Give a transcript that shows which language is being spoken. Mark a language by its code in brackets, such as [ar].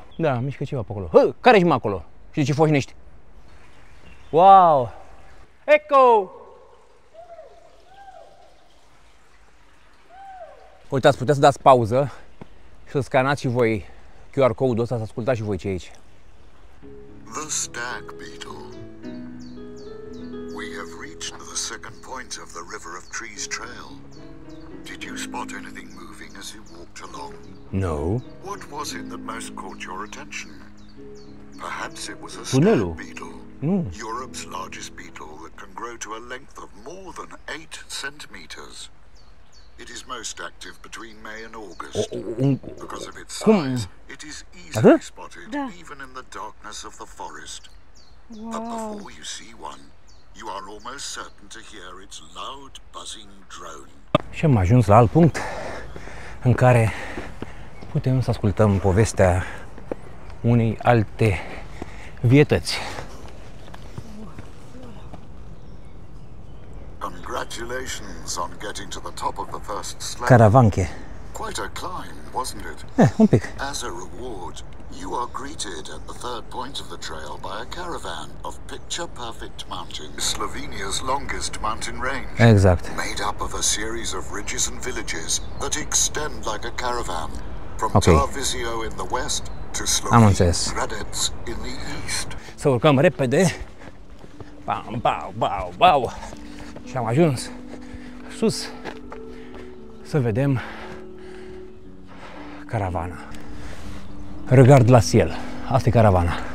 [ro] Da, mișcă ceva pe acolo. Hă, care-și mă acolo? Și de ce foșnești? Wow! Echo! Uitați, puteți să dați pauză și să scanați și voi QR code-ul ăsta, să ascultați și voi ce e aici. [en] The stag beetle. We have reached the second point of the River of Trees trail. Did you spot anything moving as you walked along? No. What was it that most caught your attention? Perhaps it was a stag beetle. [ro] Nu. [en] Europe's largest beetle that can grow to a length of more than 8 centimeters. It is most active between May and August. Because of its size, it is easily spotted even in the darkness of the forest. But before you see one, you are almost certain to hear its loud buzzing drone. [ro] Și am ajuns la alt punct în care putem să ascultăm povestea unei alte vietăți. [en] Congratulations on getting to the top of the first slab. Caravanche. Quite a climb, wasn't it? [ro] Un pic. [en] As a reward, you are greeted at the third point of the trail by a caravan of picture-perfect mountains. Slovenia's longest mountain range. [ro] Exact. [en] Made up of a series of ridges and villages that extend like a caravan. From Tarvisio in the west to Slovenia's in the east. [ro] Să urcăm repede. Bam, bau, bau, bau. Și am ajuns sus să vedem caravana. [fr] Regard la ciel. [ro] Asta e caravana.